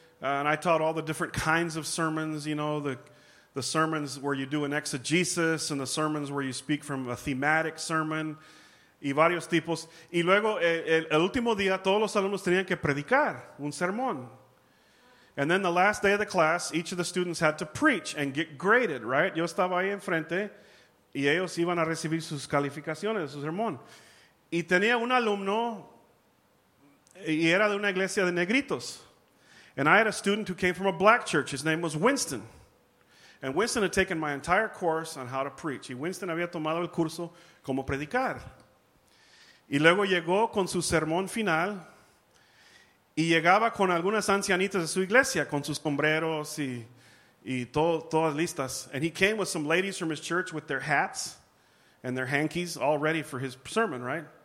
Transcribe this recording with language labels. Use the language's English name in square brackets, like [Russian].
[English] And I taught all the different kinds of sermons, you know, the sermons where you do an exegesis and the sermons where you speak from a thematic sermon. [Spanish] Y varios tipos. Y luego, el último día, todos los alumnos tenían que predicar un sermón. [English] And then the last day of the class, each of the students had to preach and get graded, right? [Spanish] Yo estaba ahí enfrente y ellos iban a recibir sus calificaciones, su sermón. Y tenía un alumno y era de una iglesia de negritos. [English] And I had a student who came from a black church. His name was Winston. And Winston had taken my entire course on how to preach. [Spanish] Y Winston había tomado el curso cómo predicar. Y luego llegó con su sermón final y llegaba con algunas ancianitas de su iglesia con sus sombreros y todas listas. [English] And he came with some ladies from his church with their hats and their hankies all ready for his sermon, right?